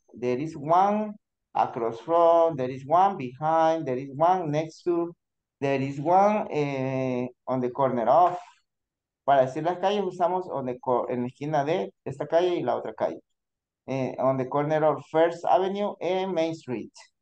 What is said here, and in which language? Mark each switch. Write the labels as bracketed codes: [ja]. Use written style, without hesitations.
[en] There is one across from, there is one behind, there is one next to, there is one on the corner of. [es] Para decir las calles usamos en la esquina de esta calle y la otra calle. [en] On the corner of First Avenue and Main Street.